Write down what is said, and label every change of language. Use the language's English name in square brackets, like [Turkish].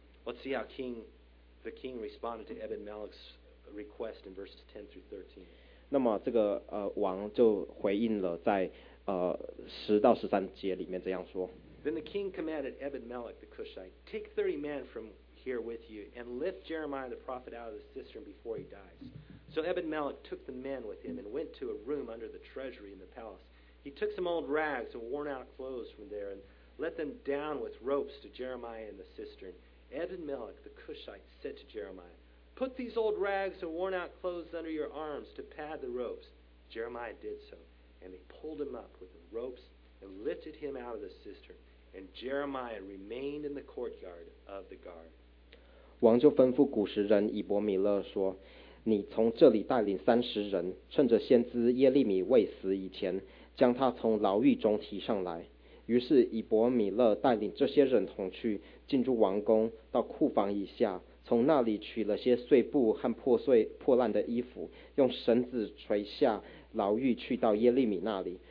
[English] Let's see how the king responded to Ebed-Melech's request in verses 10 through 13. [Chinese] 那么这个王就回应了在十到十三节里面这样说。 [English] Then the king commanded Ebed-Melech the Cushite, take 30 men from here with you and lift Jeremiah the prophet out of the cistern before he dies. So Ebed-Melech took the men with him and went to a room under the treasury in the palace. He took some old rags and worn out clothes from there and let them down with ropes to Jeremiah in the cistern. Ebed-Melech the Cushite said to Jeremiah, put these old rags and worn out clothes under your arms to pad the ropes. Jeremiah did so, and they pulled him up with the ropes and lifted him out of the cistern, and Jeremiah remained in the courtyard of the guard. [Chinese] 王就吩咐古实人以伯米勒说，你从这里带领三十人，趁着先知耶利米未死以前，将他从牢狱中提上来。于是以伯米勒带领这些人同去，进入王宫，到库房以下，从那里取了些碎布和破烂的衣服，用绳子垂下牢狱，去到耶利米那里。